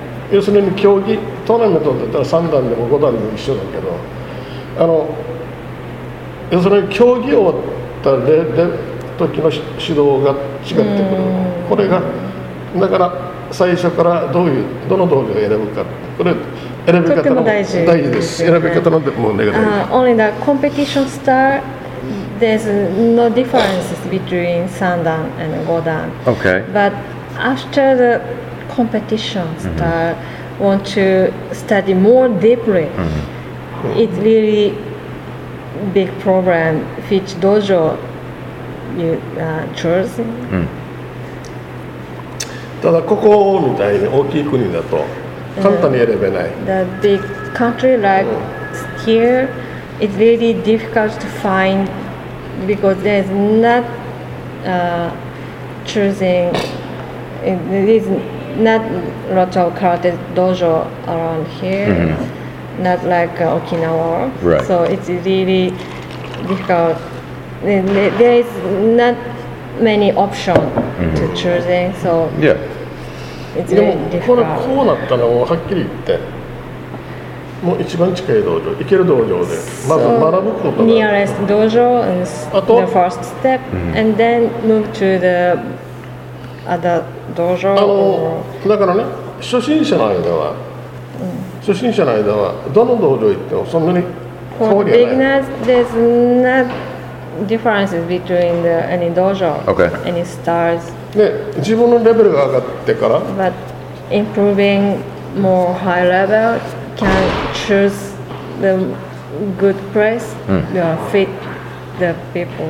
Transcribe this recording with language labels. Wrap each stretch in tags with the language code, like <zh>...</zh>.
<ja>要するに競技トーナメントだったら3段でも5段でも一緒だけど、あの要するに競技終わったレベル時の指導が違ってくる。これがだから最初からどういうどの道具を選ぶか、これ選び方も大事です。選び方なんてもうネガティブ。</ja> <en>Only the competition star there's no differences between 3段 and 5段。 Okay. But after the competition star want to study more deeply. It's really big problem which dojo you chose.</en> <ja>ただここみたいに大きい国だと簡単に選べない。</ja> <en>The big country like here, it's really difficult to find because there's not choosing. It isn't lot of karate dojo around here, not like Okinawa. Right. So it's really difficult. There is not many option to choosing. So it's really difficult.</en> <ja>でもこれこうなったのをはっきり言って、もう一番近い道場、行ける道場でまず学ぶことが。</ja> <en>Nearest dojo is the first step, and then move to the other dojo.</en> <ja>あのだからね、初心者の間は、初心者の間はどの道場行ってもそんなに変わりない。</ja> <en>For beginners, there's no differences between the, any dojo, any stars.</en> <ja>で、自分のレベルが上がってから、</ja> <en>But improving more high level can choose the good place, fit the people.</en>